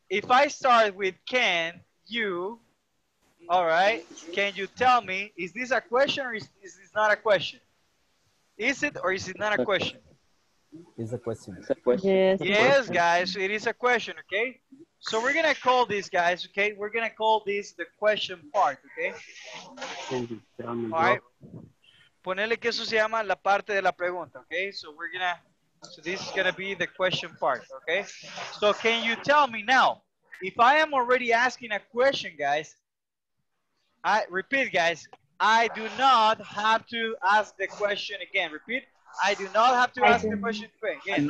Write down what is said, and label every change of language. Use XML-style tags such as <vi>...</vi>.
<en>If I start with can you, all right, can you tell me, is this a question or is this not a question? Is it or is it not a question? It's a question. It's a question. Yes, guys, it is a question, okay? So we're going to call this, guys, okay? We're going to call this the question part, okay? All right.</en> <es>Ponele que eso se llama la parte de la pregunta,</es> <en>okay? So this is going to be the question part, okay? So can you tell me now, if I am already asking a question, guys, I do not have to ask the question again. Repeat. I do not have to ask the question again.</en>